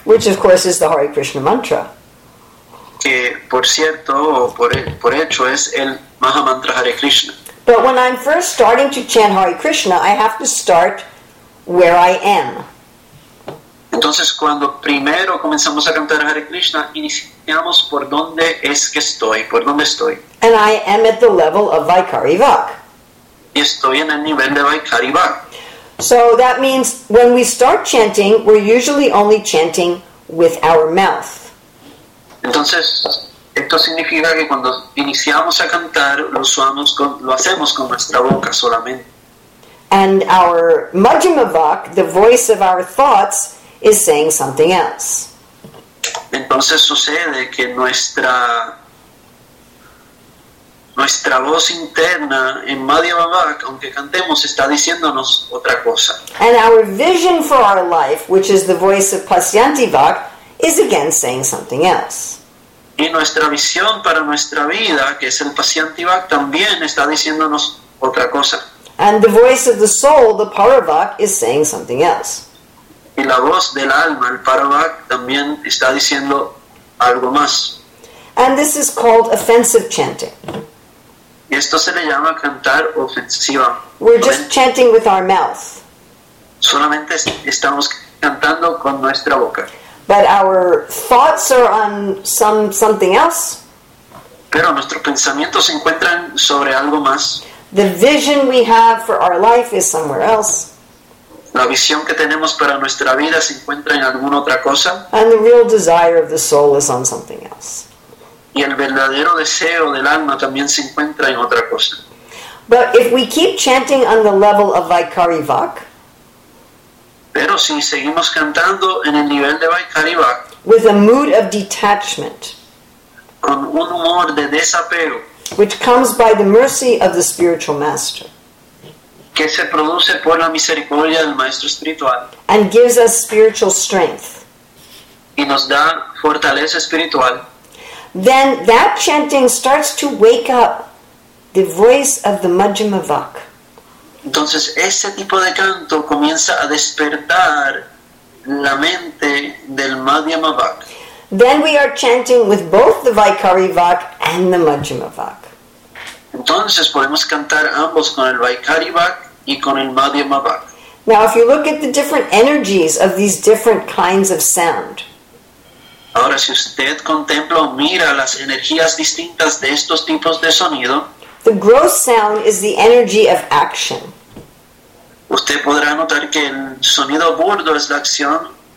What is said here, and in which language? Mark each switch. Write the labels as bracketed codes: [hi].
[en] Which of course is the Hare Krishna mantra. [es] Que por cierto, o por hecho, es el Maha Mantra Hare Krishna. [en] But when I'm first starting to chant Hare Krishna, I have to start where I am. [es] Entonces cuando primero comenzamos a cantar Hare Krishna, iniciamos por dónde es que estoy, por dónde estoy. [en] And I am at the level of Vaikari Vak. [es] Y estoy en el nivel de Vaikari Vak. [en] So that means when we start chanting, we're usually only chanting with our mouth. [es] Entonces, esto significa que cuando iniciamos a cantar, lo hacemos con nuestra boca solamente. [en] And our Majjhima Vak, the voice of our thoughts, is saying something else. [es] Entonces sucede que nuestra voz interna en Madhyama Vak, aunque cantemos, está diciéndonos otra cosa. [en] And our vision for our life, which is the voice of Pasyanti Vak, is again saying something else. [es] Y nuestra visión para nuestra vida, que es el Pasyanti Vak, también está diciéndonos otra cosa. [en] And the voice of the soul, the Paravak, is saying something else. [es] Y la voz del alma, el Paravak, también está diciendo algo más. [en] And this is called offensive chanting. [es] Y esto se le llama cantar ofensiva. [en] We're just chanting with our mouth. [es] Solamente estamos cantando con nuestra boca. [en] But our thoughts are on something else. [es] Pero nuestros pensamientos se encuentran sobre algo más. [en] The vision we have for our life is somewhere else. [es] La visión que tenemos para nuestra vida se encuentra en alguna otra cosa. [en] And the real desire of the soul is on something else. [es] Y el verdadero deseo del alma también se encuentra en otra cosa. [en] But if we keep chanting on the level of Vaikari Vak, [es] pero si seguimos cantando en el nivel de Vaikari Vak, [en] with a mood of detachment, [es] con un humor de desapego, [en] which comes by the mercy of the spiritual master, [es] que se produce por la misericordia del maestro espiritual, [en] and gives us spiritual strength, [es] y nos da fortaleza espiritual, [en] then that chanting starts to wake up the voice of the Majjhima Vak. [es] Entonces, ese tipo de canto comienza a despertar la mente del Madhyama Vak. [en] Then we are chanting with both the Vaikari Vak and the Majjhima Vak. [es] Entonces, podemos cantar ambos con el Vaikari Vak y con el Madhyama Vak. [en] Now, if you look at the different energies of these different kinds of sound, [es] ahora, si usted contempla o mira las energías distintas de estos tipos de sonido, [en] the gross sound is the energy of action. [es] Usted podrá notar que el sonido burdo es la acción.